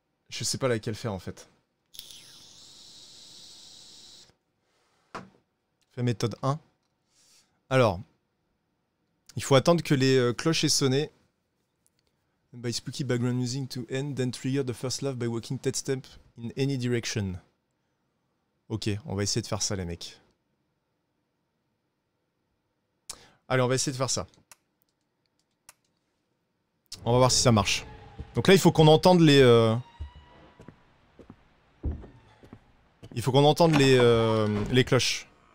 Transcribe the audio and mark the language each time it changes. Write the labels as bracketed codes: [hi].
[fr] Je sais pas laquelle faire, en fait. Fait méthode 1. Alors, il faut attendre que les cloches aient sonné. [en] By spooky background music to end, then trigger the first laugh by walking 10 steps in any direction. [fr] Ok, on va essayer de faire ça, les mecs. Allez, on va essayer de faire ça. On va voir si ça marche. Donc là, il faut qu'on entende les... Il faut qu'on entende les cloches.